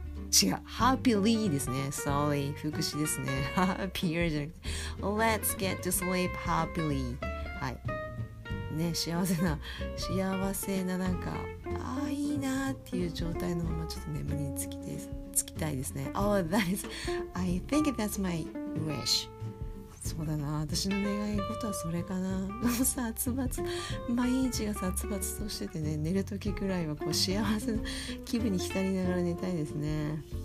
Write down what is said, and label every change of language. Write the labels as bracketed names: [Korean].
[Japanese] 違う、happily ですね、 sorry, 副詞ですね、 happier じゃなくて [English] Let's get to sleep happily. [Japanese] はいね、幸せななんか、あーいいなーっていう状態のままちょっと眠りにつきたいですね。 [English] Oh, that is, I think that's my wish. [Japanese] そうだな、私の願い事はそれかな。殺伐、毎日が殺伐としててね、寝る時くらいはこう幸せな気分に浸りながら寝たいですね。